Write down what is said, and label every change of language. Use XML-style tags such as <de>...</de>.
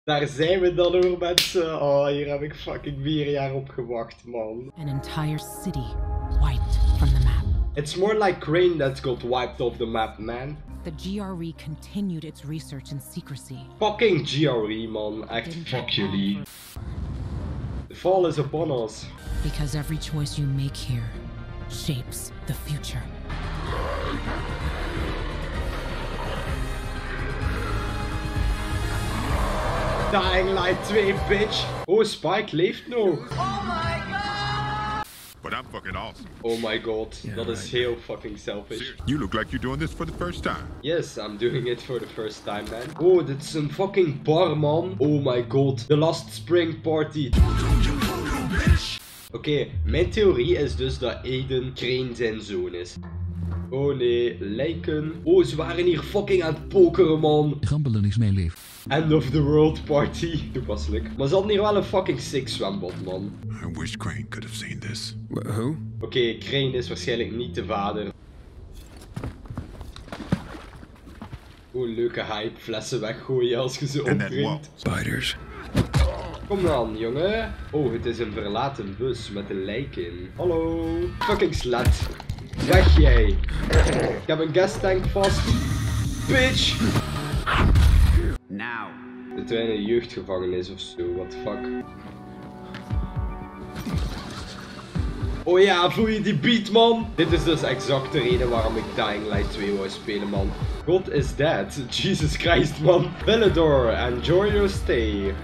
<nl>Daar zijn we dan hoor, mensen. Oh, hier heb ik fucking 4 jaar op gewacht, man.</nl> <en>An entire city wiped from the map. It's more like Crane that got wiped off the map, man. The GRE continued its research in secrecy. Fucking GRE, man.</en> <nl>Echt, fuck jullie.</nl> <en>The fall is upon us. Because every choice you make here shapes the future. Dying Light 2, bitch. Oh, Spike</en> <nl>leeft nog.</nl> <en>Oh my god. But I'm fucking awesome. Oh my god. Yeah, that is</en> <nl>heel</nl> <en>fucking selfish. You look like you're doing this for the first time. Yes, I'm doing it for the first time, man. Oh, that's some fucking bar, man. Oh my god. The last spring party.</en> <nl>Oké, mijn theorie is dus dat Aiden Crane zijn zoon is. Oh nee, lijken. Oh, ze waren hier fucking aan het pokeren, man. Gambelen is mijn leven.</nl> <en>End of the world party.</en> <nl>Toepasselijk. Maar ze hadden hier wel een fucking sick zwembad, man.</nl> <en>I wish Crane could have seen this. Who?</en> <nl>Oké, Crane is waarschijnlijk niet de vader. Oh, leuke hype. Flessen weggooien als je ze opdringt.</nl> <en>Spiders.</en> <nl>Kom dan, jongen. Oh, het is een verlaten bus met een lijk in. Hallo. Fucking slet. Weg jij. Ik heb een gas tank vast. Bitch.</nl> <en>Now.</en> <nl>Zitten wij in een jeugdgevangenis of zo?</nl> <en>What the fuck?</en> <nl>Oh ja, voel je die beat, man? Dit is dus exact de reden waarom ik Dying Light 2 wou spelen, man.</nl> <en>God is dead. Jesus Christ, man. Villador, enjoy your stay.</en>